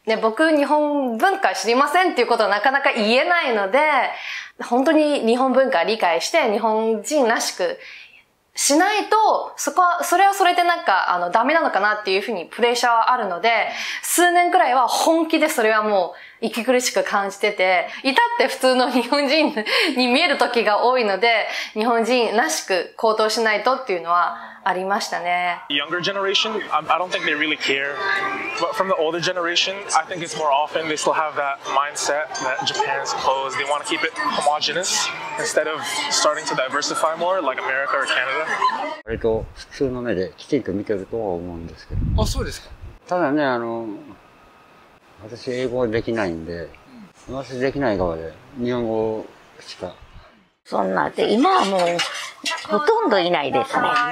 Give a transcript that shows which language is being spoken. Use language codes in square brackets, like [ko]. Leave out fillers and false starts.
[ja] で、僕日本文化知りませんっていうことはなかなか言えないので、本当に日本文化理解して日本人らしくしないと、そこは、それはそれでなんかダメなのかなっていうふうにプレッシャーはあるので、数年くらいは本気でそれはもう息苦しく感じてて、至って普通の日本人に見える時が多いので、日本人らしく行動しないとっていうのはありましたね。 [en] Younger generation, I don't think they really care. But from the older generation, I think it's more often they still have that mindset that Japan's closed. They want to keep it homogenous instead of starting to diversify more like America or Canada. [ja] 割と普通の目できちんと見てるとは思うんですけど。あ、そうですか。ただね、私、英語はできないんで、私できない側で、日本語しか。そんな、で、今はもう、ほとんどいないですね。